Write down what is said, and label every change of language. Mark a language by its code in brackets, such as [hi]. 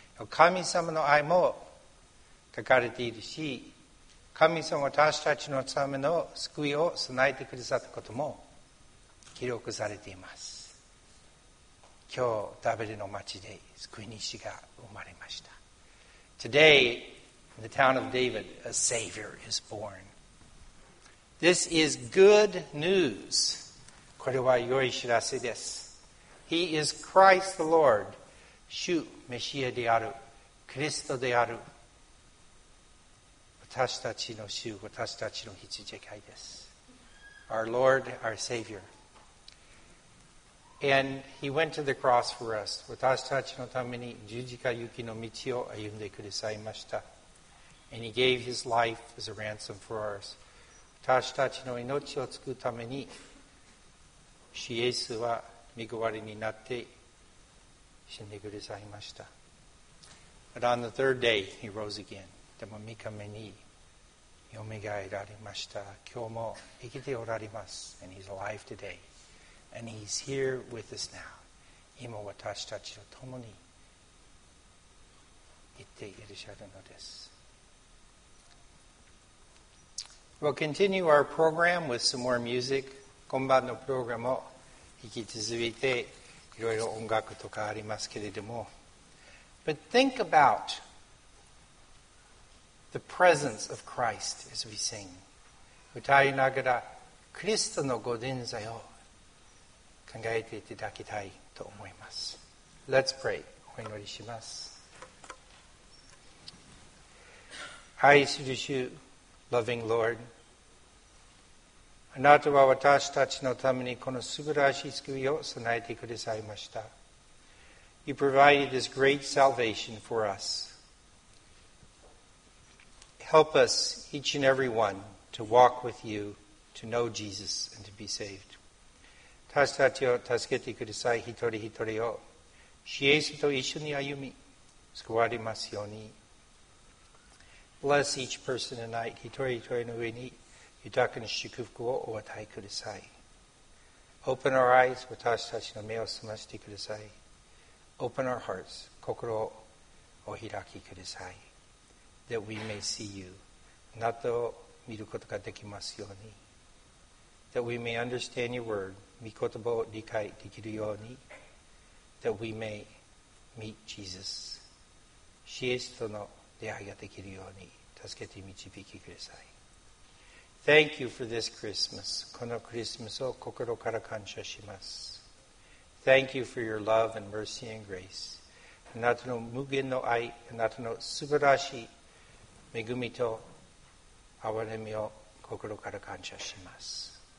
[ja] 神様の愛も書かれているし、神様は私たちのための救いを備えてくださったことも記録されています。今日ダベルの町で救い主が生まれました。 [en] Today, in the town of David, a Savior is born. This is good news. [ja] これは良い知らせです。 [en] He is Christ the Lord, [ja] 主メシアである、キリストである。私たちの主、私たちの羊飼いです。 [en] Our Lord, our Savior. And he went to the cross for us. [ja] 私たちのために十字架行きの道を歩んでくださいました。 [en] And he gave his life as a ransom for ours. [ja] 私たちの命を救うために、主イエスは身代わりになって死んでくださいました。 [en] But on the third day, he rose again. [ja] でも三日目によみがえられました。今日も生きておられます。 [en] And he's alive today. And he's here with us now. [ja] 今私たちと共に行っていらっしゃるのです。 [en] We'll continue our program with some more music. [ja] 今晩のプログラムを引き続いていろいろ音楽とかありますけれども。 [en] But think about the presence of Christ as we sing. [ja] 歌いながらクリストの御臨在を考えていただきたいと思います。 [en] Let's pray. [ja] お祈りします。愛する主、 [en] Loving Lord, [ja] あなたは私たちのためにこの素晴らしい救いを備えてくださいました。 [en] You provided this great salvation for us. Help us, each and every one, to walk with you, to know Jesus, and to be saved. [ja] 私たちを助けてください、一人一人を。主イエスと一緒に歩み、救われますように。 [en] Bless each person tonight, [ja] 一人一人の上に、豊かな祝福をお与えください。 [en] Open our eyes, [ja] 私たちの目を澄ましてください。 [en] Open our hearts, [ja] 心をお開きください。 [en] That we may see you, [ja] あなたを見ることができますように。 [en] That we may understand your word, [ja] 御言葉を理解できるように、 [en] That we may meet Jesus, [ja] 主イエスとの出会いができるように、助けて導きください。 [en] Thank you for this Christmas. [ja] このクリスマスを心から感謝します。 [en] Thank you for your love and mercy and grace. [ja] あなたの無限の愛、あなたの素晴らしい恵みと憐れみを心から感謝します。